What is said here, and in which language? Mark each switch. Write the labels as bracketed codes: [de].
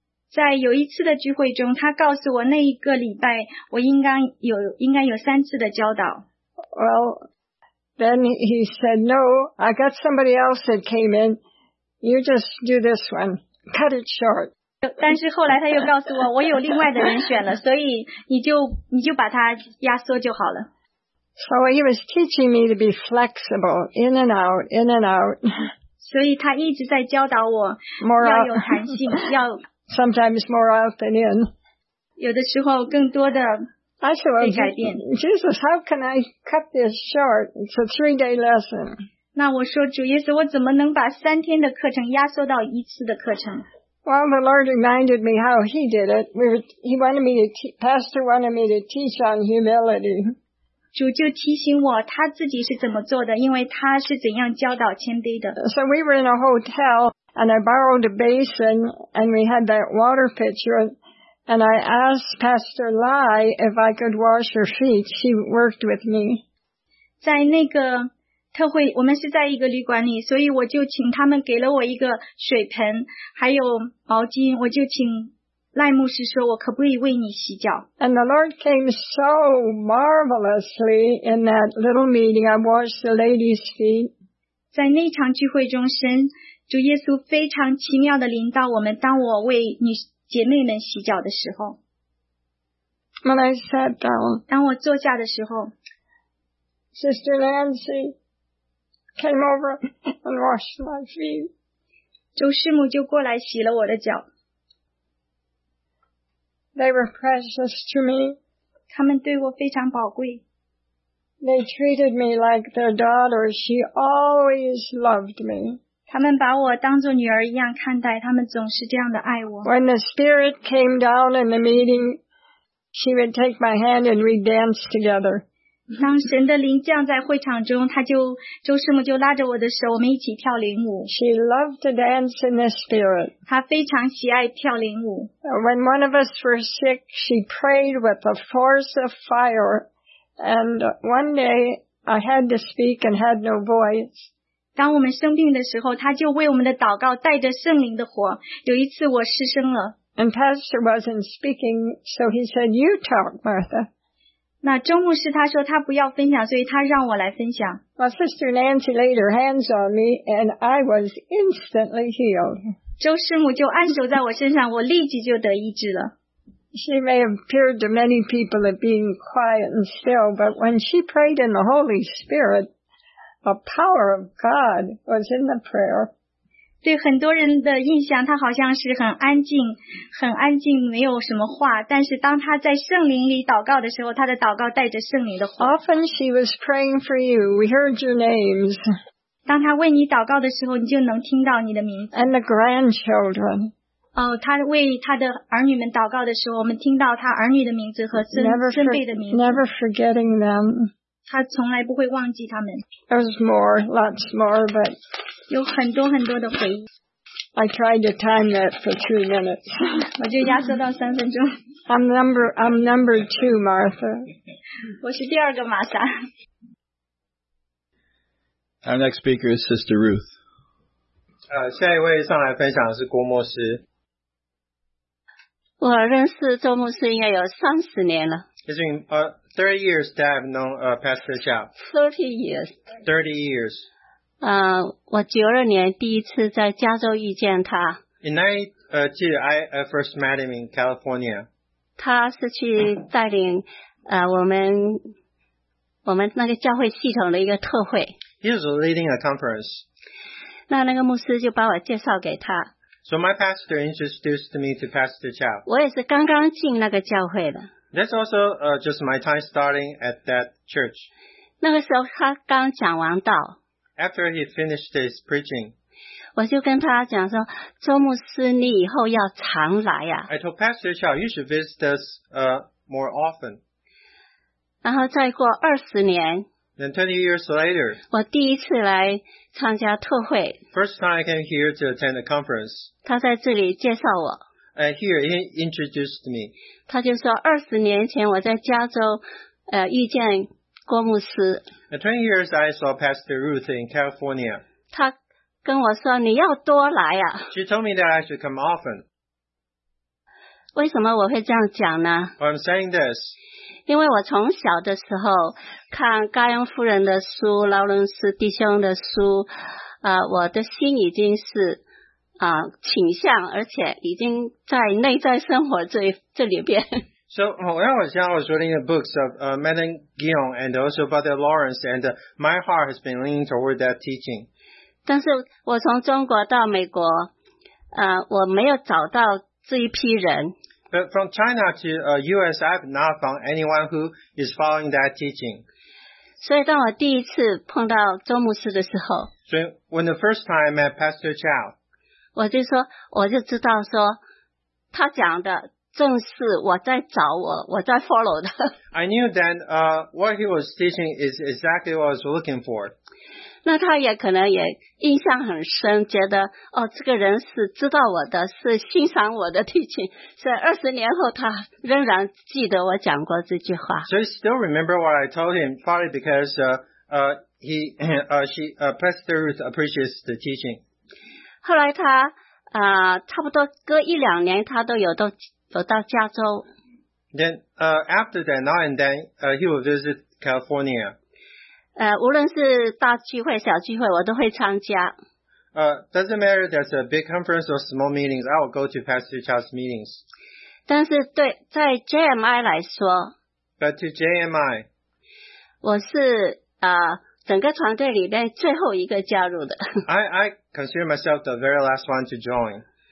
[zh] 在有一次的聚会中，他告诉我那一个礼拜我应该有三次的教导。 [en] Well, then he said, no, I got somebody else that came in. You just do this one. Cut it short. [zh] 但是后来他又告诉我，我有另外的人选了，所以你就把它压缩就好了。 [en] So he was teaching me to be flexible, in and out, in and out. [zh] 所以他一直在教导我 [en] ，more [zh] 要有弹性，要。 [en] Sometimes more out than in. [zh] 有的时候更多的被改变。 [en] Jesus, how can I cut this short? It's a three-day lesson. [zh] 那我说主耶稣，我怎么能把三天的课程压缩到一次的课程？ [en] Well, the Lord reminded me how he did it. Pastor wanted me to teach on humility. [zh] 主就提醒我他自己是怎么做的，因为他是怎样教导谦卑的。 [en] So we were in a hotel. And I borrowed a basin, and we had that water pitcher, and I asked Pastor Lai if I could wash her feet. She worked with me. [zh] 在那个特会，我们是在一个旅馆里，所以我就请他们给了我一个水盆，还有毛巾，我就请赖牧师说，我可不可以为你洗脚。 [en] And the Lord came so marvelously in that little meeting. I washed the lady's feet. [zh] 在那场聚会中生主耶稣非常奇妙的临到我们当我为女姐妹们洗脚的时候 [en] When I sat down [zh] 当我坐下的时候 [en] Sister Nancy came over and washed my feet [zh] 周师母就过来洗了我的脚 [en] They were precious to me [zh] 他们对我非常宝贵 [en] They treated me like their daughter. She always loved me. [zh] 他们把我当作女儿一样看待，他们总是这样的爱我。 [en] When the spirit came down in the meeting, she would take my hand and we danced together. [zh] 当神的灵降在会场中，他就周师母就拉着我的手，我们一起跳领舞。 [en] She loved to dance in the spirit. [zh] 她非常喜爱跳领舞。 [en] When one of us were sick, she prayed with a force of fire. And one day, I had to speak and had no voice. [zh] 当我们生病的时候，他就为我们的祷告带着圣灵的火。有一次我失声了。 [en] And Pastor wasn't speaking, so he said, you talk, Martha. [zh] 那周牧师他说他不要分享，所以他让我来分享。 [en] Well, Sister Nancy laid her hands on me, and I was instantly healed. [zh] 周师母就按手在我身上，我立即就得医治了。 [en] She may have appeared to many people as being quiet and still, but when she prayed in the Holy Spirit, the power of God was in the prayer. [zh] 对很多人的印象，她好像是很安静，很安静，没有什么话。但是当她在圣灵里祷告的时候，她的祷告带着圣灵的话。 [en] Often she was praying for you. We heard your names. [zh] 当她为你祷告的时候，你就能听到你的名字。 [en] And the grandchildren. [zh] 他为他的儿女们祷告的时候，我们听到他儿女的名字和孙辈的名字。 [en] Never forgetting them. [zh] 他从来不会忘记他们。 [en] There's more, lots more, but [zh] 有很多很多的回忆。 [en] I tried to time that for 2 minutes. [zh] 我就压缩到三分钟。 [en] I'm number two, Martha. [zh] 我是第二个玛莎。 [en] Our next speaker is Sister Ruth. [zh] 下一位上来分享的是郭牧师。我认识周牧师应该有30年了。 [en] It's been 30 years that I've known Pastor Zhao. 30 years. [zh] 我92年第一次在加州遇见他。 [en] I first met him in California. [zh] 他是去带领我们那个教会系统的一个特会。 [en] He was leading a conference. [zh] 那个牧师就把我介绍给他。 [en] So my pastor introduced me to Pastor Chow. [zh] 我也是刚刚进那个教会的。 [en] That's also just my time starting at that church. [zh] 那个时候他刚讲完道。 [en] After he finished his preaching. [zh] 我就跟他讲说周牧师你以后要常来啊。 [en] I told Pastor Chow, you should visit us more often. [zh] 然后再过20年。 [en] Then 20 years later, [zh] 我第一次来参加特会。 [en] First time I came here to attend a conference. [zh] 他在这里介绍我。 [en] Here he introduced me. [zh] 他就说20年前我在加州遇见郭牧师。 [en] 20 years I saw Pastor Ruth in California. [zh] 他跟我说你要多来啊。 [en] She told me that I should come often. [zh] 为什么我会这样讲呢？ [en] I'm saying this. [zh] 因为我从小的时候看高阳夫人的书劳伦斯弟兄的书我的心已经是倾向而且已经在内在生活 这里边。 [en] So, when I was young, I was reading the books of Madame Guillon and also Brother Lawrence and my heart has been leaning toward that teaching. [zh] 但是我从中国到美国我没有找到这一批人。 [en] But from China to US, I've not found anyone who is following that teaching. [zh] 所以当我第一次碰到周牧师的时候 [en] So when the first time I met Pastor Chow, [zh] 我就知道说他讲的正是我在找我在 follow 的。 [en] I knew that what he was teaching is exactly what I was looking for. [zh] 那他也可能也印象很深觉得这个人是知道我的是欣赏我的 teaching. 所以20年后他仍然记得我讲过这句话。 [en] So he still remember what I told him, partly because Pastor Ruth appreciates the teaching. [zh] 后来他差不多隔一两年他都有走到加州。 [en] Then, after that, now and then, he will visit California. [zh] 无论是大聚会小聚会我都会参加。 [en] Doesn't matter if there's a big conference or small meetings, I will go to Pastor Chow's meetings. [zh] 但是对在 JMI 来说 [en] But to JMI [zh] 我是整个团队里面最后一个加入的。 [en] I consider myself the very last one to join.